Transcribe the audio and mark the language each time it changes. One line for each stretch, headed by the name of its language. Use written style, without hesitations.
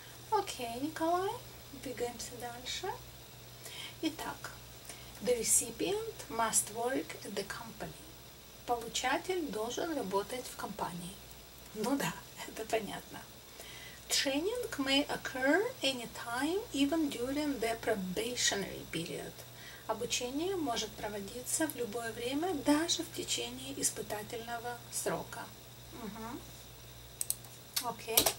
Russian: Окей, Николай, двигаемся дальше.
English: Итак, the recipient must work at the company.
Russian: Получатель должен работать в компании. Ну да, это понятно.
English: Training may occur anytime, even during the probationary period.
Russian: Обучение может проводиться в любое время, даже в течение испытательного срока. Окей.